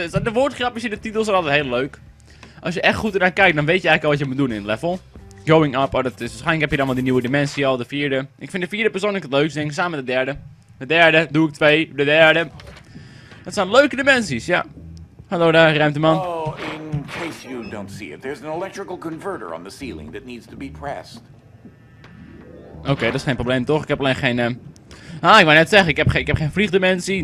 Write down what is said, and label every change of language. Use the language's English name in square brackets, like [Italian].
[Dutch] De woordgrapjes in de titel zijn altijd heel leuk. Als je echt goed ernaar kijkt, dan weet je eigenlijk al wat je moet doen in het level. [English] Going up, [Dutch] oh, dat is waarschijnlijk heb je dan wel die nieuwe dimensie al, de vierde. Ik vind de vierde persoonlijk het leukste, denk ik, samen met de derde. De derde, doe ik twee, de derde. Dat zijn leuke dimensies, ja. Hallo daar, ruimteman. [English] Oh, in case you don't see it, there's an electrical converter on the ceiling that needs to be pressed. [Dutch] Oké, dat is geen probleem toch? Ik heb alleen geen... ik wou net zeggen, ik heb geen vliegdimensie.